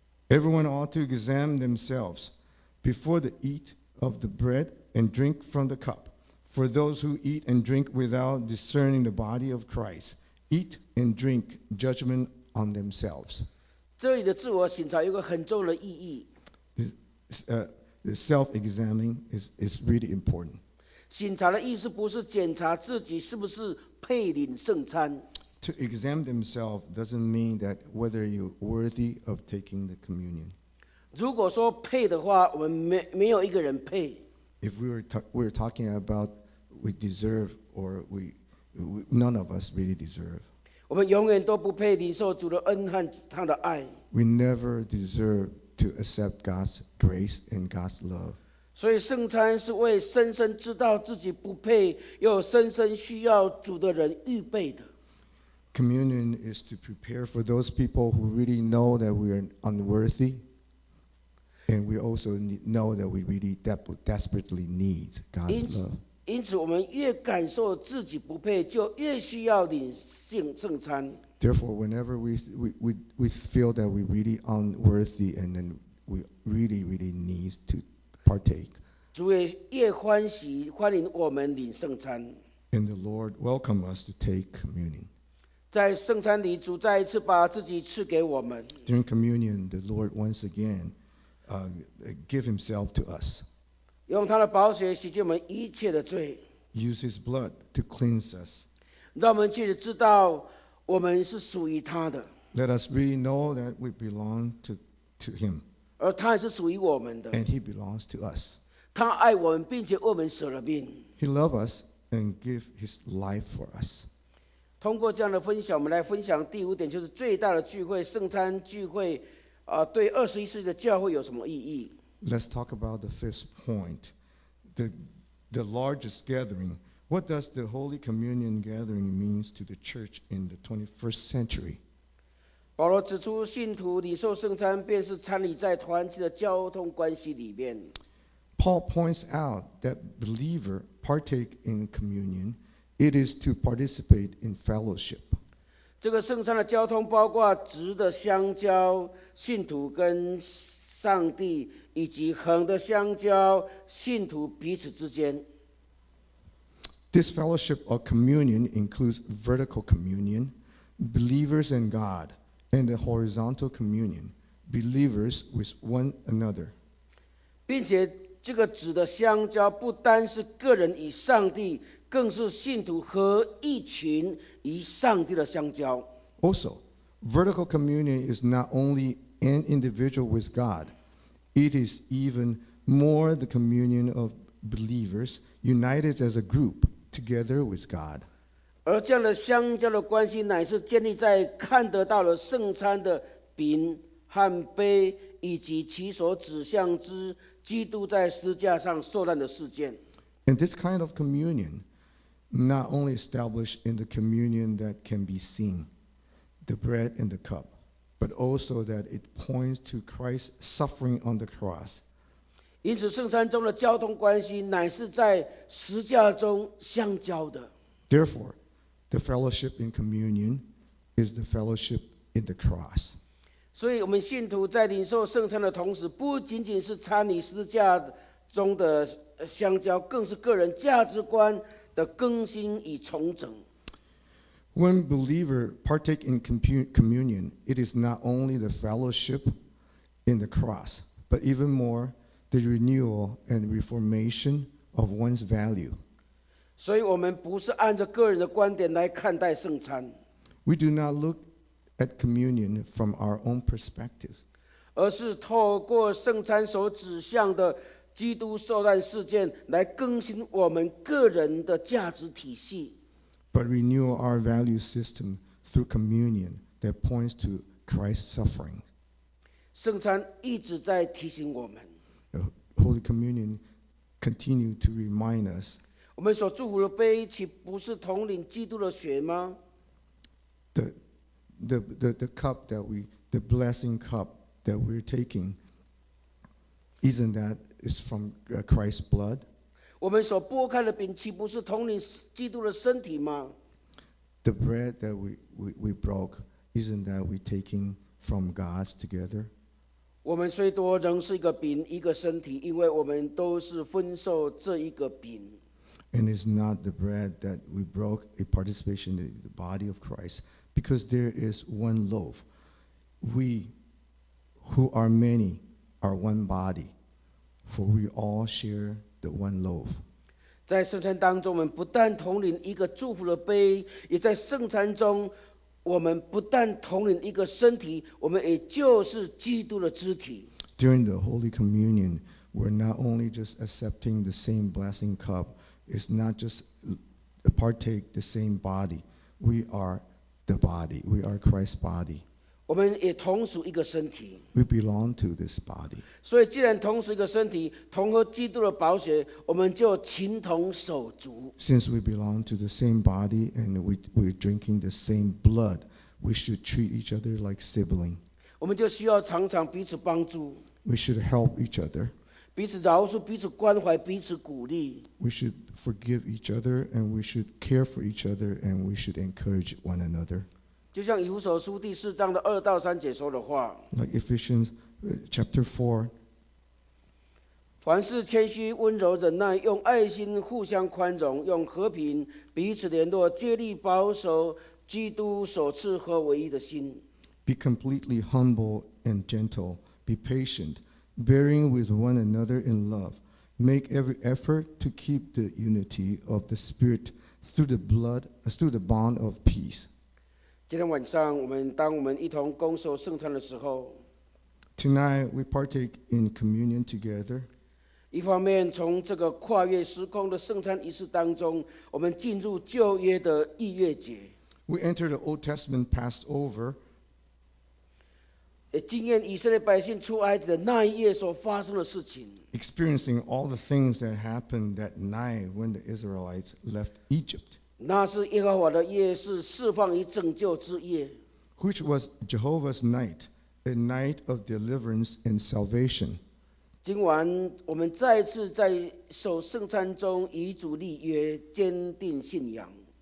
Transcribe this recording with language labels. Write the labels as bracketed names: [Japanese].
[English] Everyone ought to examine themselves before they eat of the bread and drink from the cup. For those who eat and drink without discerning the body of Christ eat and drink judgment on themselves. [Chinese] 这里的自我省察有个很重要的意义。 [English] The self-examining is really important. [Chinese] 审查的意思不是检查自己是不是配领圣餐。 [English] To examine themselves doesn't mean that whether you're worthy of taking the communion. [Chinese] 如果说配的话，我们没有一个人配。 [English] If we're talking about we deserve or none of us really deserve. [Chinese] 我们永远都不配领受主的恩和他的爱。 [English] We never deserve to accept God's grace and God's love. [Chinese] 所以圣餐是为深深知道自己不配又深深需要主的人预备的。 [English] Communion is to prepare for those people who really know that we are unworthy and we also know that we really desperately need God's love. [Chinese] 因此我们越感受自己不配就越需要领圣餐。 [English] Therefore, whenever we feel that we're really unworthy and then we really, really need to partake. And the Lord welcomes us to take communion. During communion, the Lord once again give himself to us. Use his blood to cleanse us. Let us really know that we belong to him. [Chinese] 而他也是属于我们的。 [English] And he belongs to us. [Chinese] 他爱我们，并且为我们舍了命。 [English] He loves us and gives his life for us. [Chinese] 通过这样的分享，我们来分享第五点，就是最大的聚会圣餐聚会，对二十一世纪的教会有什么意义 [English] ？Let's talk about the fifth point, the largest gathering. What does the Holy Communion gathering means to the church in the 21st century? [Chinese] 保罗指出，信徒领受圣餐，便是参与在团体的交通关系里面。 [English] Paul points out that believer partake in communion, it is to participate in fellowship. [Chinese] 这个圣餐的交通包括直的相交，信徒跟上帝，以及横的相交，信徒彼此之间。 [English] This fellowship or communion includes vertical communion, believers and God. And the horizontal communion, believers with one another. [Chinese] 并且这个指的相交不单是个人与上帝，更是信徒和一群与上帝的相交。 [English] Also, vertical communion is not only an individual with God, it is even more the communion of believers united as a group together with God. [Chinese] 而这样的相交的关系乃是建立在看得到了圣餐的饼和杯以及其所指向之基督在十字架上受难的事件。 [English] And this kind of communion not only established in the communion that can be seen, the bread and the cup, but also that it points to Christ's suffering on the cross. [Chinese] 因此圣餐中的交通关系乃是在十字架中相交的。 [English] Therefore,The fellowship in communion is the fellowship in the cross. [Chinese] 所以我们信徒在领受圣餐的同时，不仅仅是参与十字架中的相交，更是个人价值观的更新与重整。 [English] When believers partake in communion, it is not only the fellowship in the cross, but even more the renewal and reformation of one's value. [Chinese] 所以我们不是按照个人的观点来看待圣餐。 [English] We do not look at communion from our own perspectives. [Chinese] 而是透过圣餐所指向的基督受难事件来更新我们个人的价值体系。 [English] But renew our value system through communion that points to Christ's suffering. [Chinese] 圣餐一直在提醒我们。 [English] Holy Communion continue to remind us. [Chinese] 我们所祝福的杯，岂不是统领基督的血吗 [English] ？The cup that we, the blessing cup that we're taking, isn't that is from Christ's blood? [Chinese] 我们所擘开的饼岂不是统领基督的身体吗？ [English] The bread that we broke, isn't that we taking from God together? [Chinese] 我们虽多仍是一个饼一个身体，因为我们都是分受这一个饼。 [English] And it's not the bread that we broke a participation in the body of Christ, because there is one loaf. We, who are many, are one body, for we all share the one loaf. [Chinese] 在圣餐当中，我们不但同领一个祝福的杯，也在圣餐中，我们不但同领一个身体，我们也就是基督的肢体。 [English] During the Holy Communion, we're not only just accepting the same blessing cup. It's not just partake the same body. We are the body. We are Christ's body. [Chinese] 我们也同属一个身体。 [English] We belong to this body. [Chinese] 所以既然同属一个身体，同喝基督的宝血，我们就情同手足。 [English] Since we belong to the same body and we're drinking the same blood, we should treat each other like sibling. [Chinese] 我们就需要常常彼此帮助。 [English] We should help each other. [Chinese] 彼此饶恕，彼此关怀，彼此鼓励。 [English] We should forgive each other, and we should care for each other, and we should encourage one another. [Chinese] 就像以弗所书第四章的二到三节说的话。 [English] Like Ephesians chapter 4. [Chinese] 凡事谦虚、温柔、忍耐，用爱心互相宽容，用和平彼此联络，竭力保守基督所赐合为一的心。 [English] Be completely humble and gentle. Be patient. Bearing with one another in love, make every effort to keep the unity of the spirit through the bond of peace. [Chinese] 今天晚上我们当我们一同共受圣餐的时候， [English] Tonight we partake in communion together. [Chinese] 一方面从这个跨越时空的圣餐仪式当中，我们进入旧约的逾越节。 [English] We enter the Old Testament Passover. [Chinese] 经验以色列百姓出埃及的那一夜所发生的事情。 [English] Experiencing all the things that happened that night when the Israelites left Egypt. [Chinese] 那是耶和华的夜，是释放与拯救之夜。 [English] Which was Jehovah's night, a night of deliverance and salvation. [Chinese] 今晚我们再次在守圣餐中与主立约，坚定信仰。